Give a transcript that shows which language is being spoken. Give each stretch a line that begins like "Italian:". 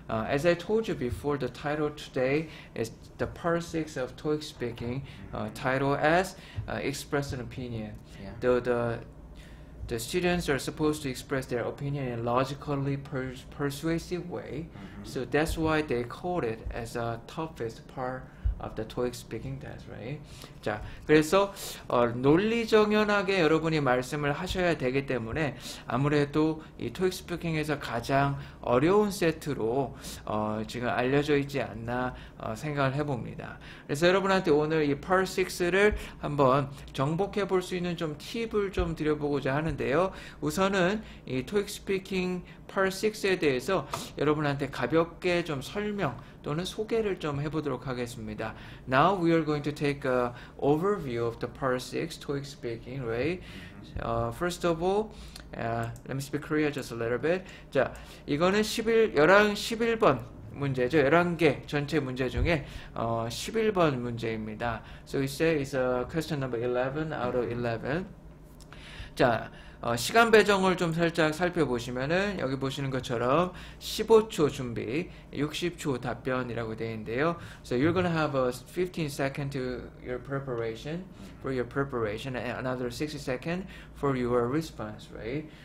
English: As I told you before, the title today is the Part 6 of TOEIC Speaking, title as Express an Opinion. Though the students are supposed to express their opinion in logically persuasive way, so that's why they call it as a toughest part of the TOEIC speaking test, right?
Korean: 자, 그래서 논리정연하게 여러분이 말씀을 하셔야 되기 때문에 아무래도 이 TOEIC speaking에서 가장 어려운 세트로 지금 알려져 있지 않나 생각을 해봅니다. 그래서 여러분한테 오늘 이 Part 6를 한번 정복해 볼수 있는 좀 팁을 좀 드려보고자 하는데요. 우선은 이 TOEIC speaking Part 6에 대해서 여러분한테 가볍게 좀 설명 또는 소개를 좀 해보도록 하겠습니다.
English: Now we are going to take a overview of the Part 6 TOEIC speaking, right? First of all, let me speak Korean just a little bit.
Korean: 자, 이거는 11번 문제죠. 11개 전체 문제 중에 11번 문제입니다.
English: So we say it's a question number 11 out of 11.
Korean: 자, 시간 배정을 좀 살짝 살펴보시면은 여기 보시는 것처럼 15초 준비, 60초 답변이라고 되어 있는데요.
English: So you're gonna have a 15 second to your preparation for your preparation and another 60 second for your response, right?